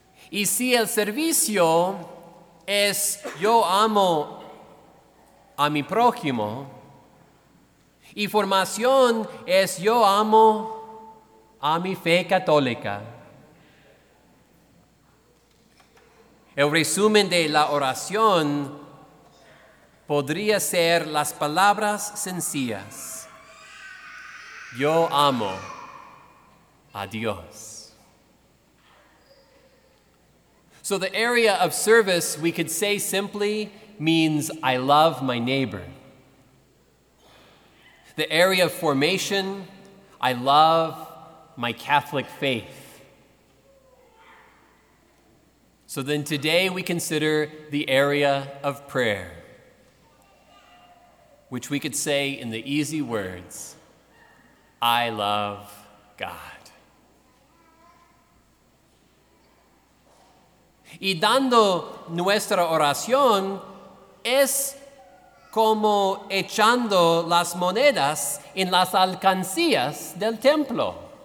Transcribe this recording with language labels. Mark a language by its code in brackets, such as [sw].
[es] Y si el servicio es yo amo a mi prójimo, y formación es yo amo a mi fe católica, el resumen de la oración podría ser las palabras sencillas: yo amo a Dios. [en] So the area of service, we could say simply, means I love my neighbor. The area of formation, I love my Catholic faith. So then today we consider the area of prayer, which we could say in the easy words, I love God. [es] Y dando nuestra oración es como echando las monedas en las alcancías del templo.